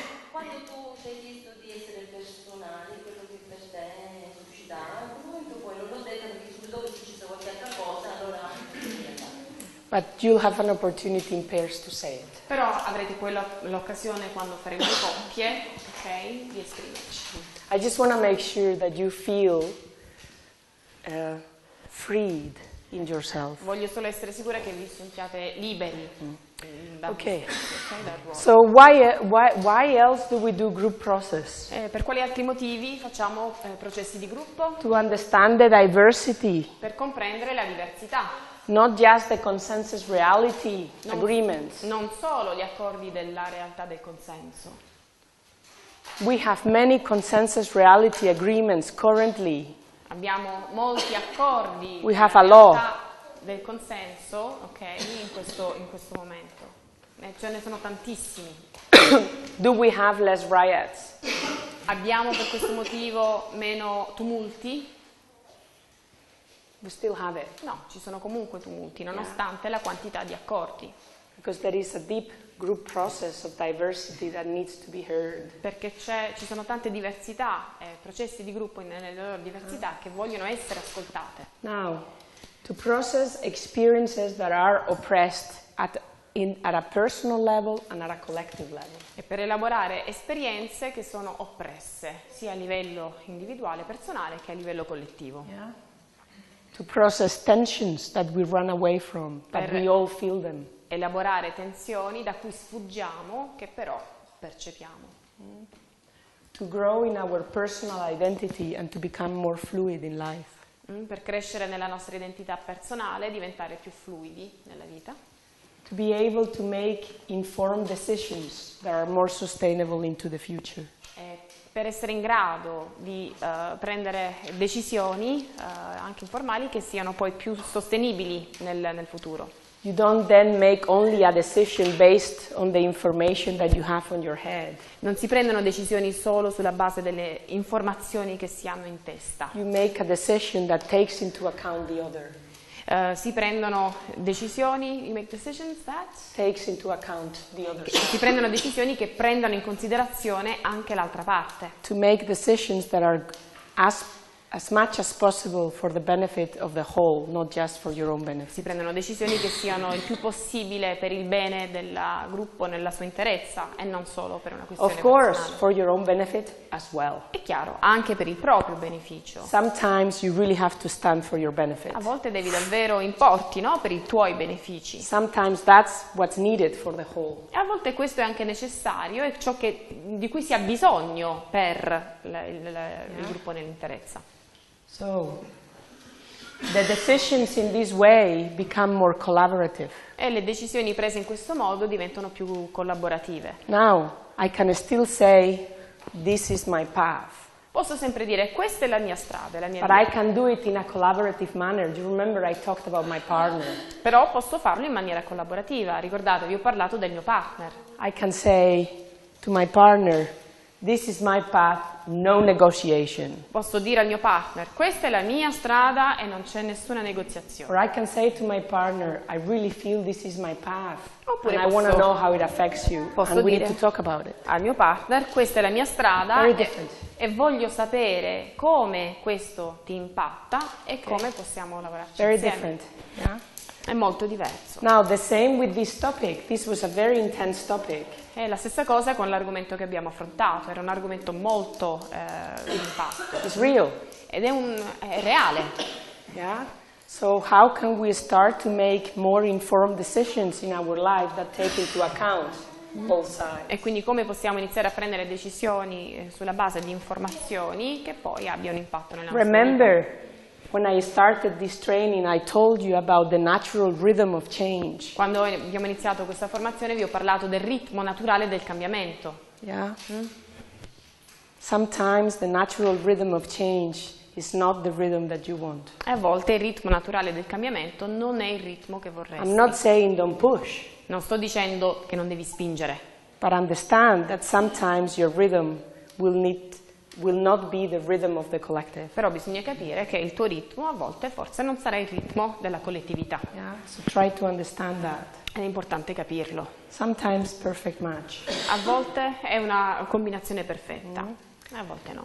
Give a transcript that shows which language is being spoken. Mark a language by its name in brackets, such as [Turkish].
[Italian] Quando tu sei visto di essere personale, quello che per te è suscitato, in quel momento poi non l'ho detto perché subito che ci sono qualche altra cosa, allora... [English] But you'll have an opportunity in pairs to say it. [Italian] Però avrete poi l'occasione quando faremo le coppie, ok, di esprimerci. [English] I just want to make sure that you feel freed in yourself. [Italian] Voglio solo essere sicura che vi sentiate liberi. [English] Okay. So why else do we do group process? [Italian] Per quali altri motivi facciamo processi di gruppo? [English] To understand the diversity. [Italian] Per comprendere la diversità. [English] Not just the consensus reality agreements. [Italian] Non solo gli accordi della realtà del consenso. [English] We have many consensus reality agreements currently. [Italian] Abbiamo molti accordi. [English] We have a law. [Italian] Del consenso, ok, in questo momento. Ce ne sono tantissimi. [English] Do we have less riots? [Italian] Abbiamo per questo motivo meno tumulti? [English] We still have it. [Italian] No, ci sono comunque tumulti, nonostante la quantità di accordi. [English] Because there is a deep group process of diversity that needs to be heard. [Italian] Perché ci sono tante diversità, processi di gruppo nelle loro diversità che vogliono essere ascoltate. [English] Now, to process experiences that are oppressed at at a personal level and at a collective level. [Italian] E per elaborare esperienze che sono oppresse, sia a livello individuale, personale, che a livello collettivo. [English] Yeah. To process tensions that we run away from, but we all feel them. [Italian] Elaborare tensioni da cui sfuggiamo, che però percepiamo. [English] To grow in our personal identity and to become more fluid in life. [Italian] Per crescere nella nostra identità personale, diventare più fluidi nella vita. [English] To be able to make informed decisions that are more sustainable into the future. [Italian] E per essere in grado di prendere decisioni anche informali che siano poi più sostenibili nel futuro. [English] You don't then make only a decision based on the information that you have on your head. [Italian] Non si prendono decisioni solo sulla base delle informazioni che si hanno in testa. [English] You make a decision that takes into account the other. [Italian] Si prendono decisioni, [English] you make decisions that takes into account the other. [Italian] Si prendono decisioni che prendono in considerazione anche l'altra parte. [English] To make decisions that are as much as possible for the benefit of the whole, not just for your own benefit. [Italian] Si prendono decisioni che siano il più possibile per il bene del gruppo nella sua interezza e non solo per una questione [English] of course, [Italian] personale. [English] For your own benefit as well. [Italian] È chiaro, anche per il proprio beneficio. [English] Sometimes you really have to stand for your benefit. [Italian] A volte devi davvero importi, no, per i tuoi benefici. [English] Sometimes that's what's needed for the whole. [Italian] E a volte questo è anche necessario, è ciò che di cui si ha bisogno per il gruppo nell'interezza. [English] So, the decisions in this way become more collaborative. [Italian] E le decisioni prese in questo modo diventano più collaborative. [English] Now, I can still say, this is my path. [Italian] Posso sempre dire, questa è la mia strada, la mia [English] But I can do it in a collaborative manner. Do you remember I talked about my partner? [Italian] Però posso farlo in maniera collaborativa. Ricordate, vi ho parlato del mio partner. [English] I can say to my partner, this is my path, no negotiation. [Italian] Posso dire al mio partner, questa è la mia strada e non c'è nessuna negoziazione. [English] Or I can say to my partner, I really feel this is my path. [Italian] Oppure [English] and [Italian] posso, [English] I want to know how it affects you. [Italian] Posso [English] and [Italian] dire [English] we need to talk about it. [Italian] Al mio partner, questa è la mia strada. [English] Very different. [Italian] E voglio sapere come questo ti impatta e okay. Come possiamo lavorarci [English] very [Italian] insieme. [English] Different. [Italian] È molto diverso. [English] Now the same with this topic. This was a very intense topic. [Italian] È la stessa cosa con l'argomento che abbiamo affrontato, era un argomento molto impatto. [English] It's real. [Italian] Ed è reale. [English] Yeah. So how can we start to make more informed decisions in our life that take into account both sides? [Italian] E quindi come possiamo iniziare a prendere decisioni sulla base di informazioni che poi abbiano impatto nella nostra [English] Remember, [Italian] vita? [English] Remember when I started this training, I told you about the natural rhythm of change. [Italian] Quando abbiamo iniziato questa formazione, vi ho parlato del ritmo naturale del cambiamento. [English] Yeah. Mm? Sometimes the natural rhythm of change is not the rhythm that you want. [Italian] A volte il ritmo naturale del cambiamento non è il ritmo che vorresti. [English] I'm not saying don't push. [Italian] Non sto dicendo che non devi spingere. [English] But understand that sometimes your rhythm will not be the rhythm of the collective. [Italian] Però bisogna capire che il tuo ritmo a volte forse non sarà il ritmo della collettività. [English] Yeah, so try to understand that. [Italian] È importante capirlo. [English] Sometimes perfect match. [Italian] A volte è una combinazione perfetta, a volte no.